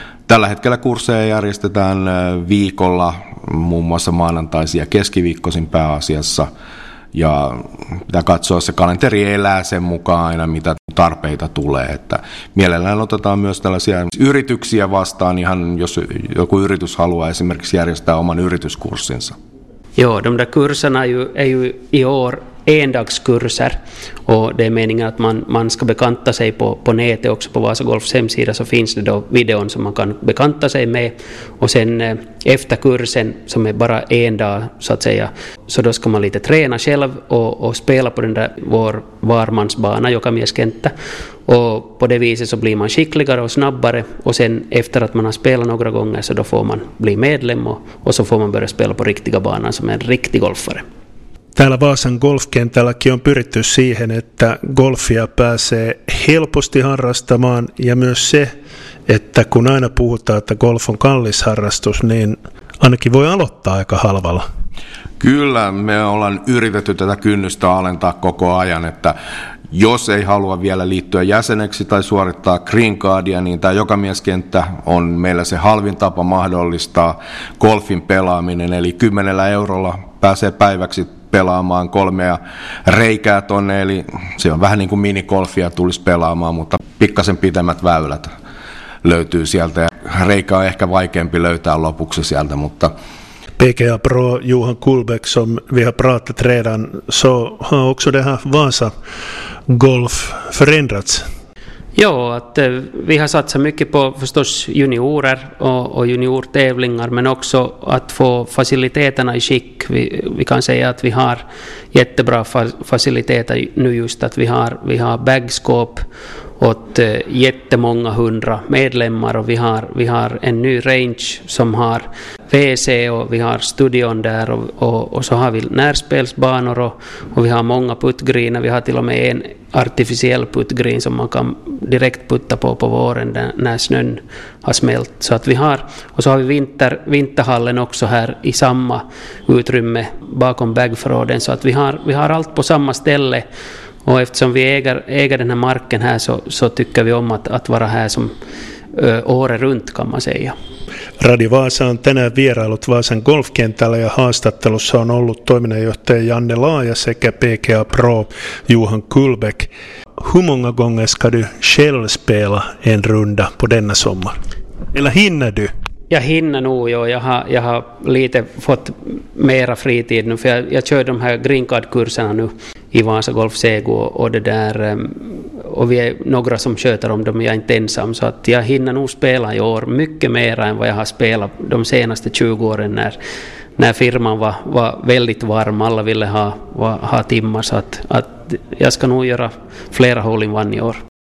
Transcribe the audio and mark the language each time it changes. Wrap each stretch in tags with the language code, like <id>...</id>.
<fi>Tällä hetkellä kursseja järjestetään viikolla, muun muassa maanantaisin ja keskiviikkoisin pääasiassa. Ja pitää katsoa, se kalenteri elää sen mukaan aina, mitä tarpeita tulee. Että mielellään otetaan myös tällaisia yrityksiä vastaan, ihan jos joku yritys haluaa esimerkiksi järjestää oman yrityskurssinsa.</fi> <sv>Joo, de där kurserna är ju i år endagskurser. Och det är meningen att man ska bekanta sig på nätet också. På Vaasa Golfs hemsida så finns det då videon som man kan bekanta sig med. Och sen efter kursen, som är bara en dag så att säga, så då ska man lite träna själv och spela på den där vår varmansbana, jokamieskenttä. Och på det viset så blir man skickligare och snabbare. Och sen efter att man har spelat några gånger så då får man bli medlem och så får man börja spela på riktiga banan som en riktig golfare.</sv> <fi>Täällä Vaasan golfkentälläkin on pyritty siihen, että golfia pääsee helposti harrastamaan ja myös se, että kun aina puhutaan, että golf on kallis harrastus, niin ainakin voi aloittaa aika halvalla. Kyllä, me ollaan yritetty tätä kynnystä alentaa koko ajan, että jos ei halua vielä liittyä jäseneksi tai suorittaa green cardia, niin tämä jokamieskenttä on meillä se halvin tapa mahdollistaa golfin pelaaminen, eli 10 eurolla pääsee päiväksi pelaamaan 3 reikää tonne, eli se on vähän niin kuin minigolfia tulisi pelaamaan, mutta pikkasen pitemmät väylät löytyy sieltä. Reikä on ehkä vaikeampi löytää lopuksi sieltä, mutta</fi> <sv>PGA Pro Johan Gullbäck som vi har pratat redan, så har också det här Vaasa Golf förändrats. Ja, att vi har satsat mycket på förstås juniorer och juniortävlingar, men också att få faciliteterna i skick. Vi kan säga att vi har jättebra faciliteter nu, just att vi har bagskåp åt jättemånga 100 medlemmar och vi har en ny range som har WC och vi har studion där och så har vi närspelsbanor och vi har många puttgreener. Vi har till och med en artificiell puttgreen som man kan direkt putta på våren där, när snön har smält. Så att vi har, och så har vi vinterhallen också här i samma utrymme bakom bagförråden. Så att vi har allt på samma ställe. Och eftersom vi äger den här marken här så tycker vi om att vara här som året runt, kan man säga.</sv> <fi>Radio Vaasa on tänään vieraillut Vaasan golfkentällä ja haastattelussa on ollut toiminnanjohtaja Janne Laaja sekä PGA Pro Johan Kullbäck.</fi> <sv>Hur många gånger ska du själv spela en runda på denna sommar? Eller hinner du? Jag hinner nog, jo. Jag har lite fått mera fritid nu, för jag kör de här green card-kurserna nu i Vaasa Golf Segu och det där, och vi är några som sköter om dem, jag är inte ensam, så att jag hinner nog spela i år mycket mer än vad jag har spelat de senaste 20 åren när firman var väldigt varm, alla ville ha timmar, så att jag ska nog göra flera hole in one i år.</sv>